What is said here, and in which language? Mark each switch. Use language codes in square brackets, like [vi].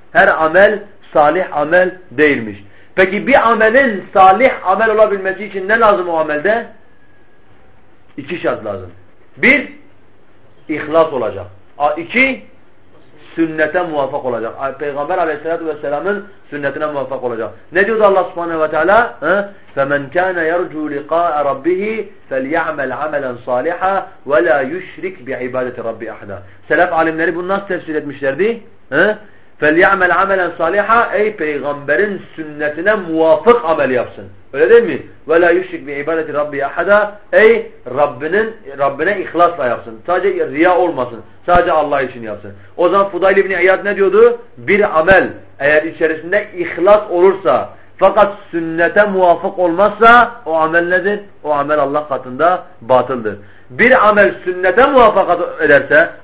[tr] Her amel salih amel değilmiş. Peki bir amelin salih amel olabilmesi için ne lazım o amelde? İki şart lazım. Bir, ihlas olacak. İki, sünnete muvaffak olacak. Peygamber aleyhissalatü vesselamın sünnetine muvaffak olacak. Ne diyordu Allah subhanehu ve teala? [ar] فَمَنْ كَانَ يَرْجُوا لِقَاءَ رَبِّهِ فَلْيَعْمَلْ عَمَلًا صَالِحًا وَلَا يُشْرِكْ بِعِبَادَةِ رَبِّ اَحْدًا [tr] Selef alimleri bunu nasıl tefsir etmişlerdi? [ar] فَلْيَعْمَلْ عَمَلًا صَالِحًا [tr] Ey peygamberin sünnetine muvafık amel yapsın. Öyle değil mi? [ar] وَلَا يُشْرِكْ بِعِبَادَةِ رَبِّ اَحَدًا [tr] Ey Rabbine ihlasla yapsın. Sadece riya olmasın. Sadece Allah için yapsın. O zaman Fudayl ibn-i İyad ne diyordu? Bir amel eğer içerisinde ihlas olursa fakat sünnete muvafık olmazsa o amel nedir? O amel Allah katında batıldır. Bir amel sünnete muvafakat ederse,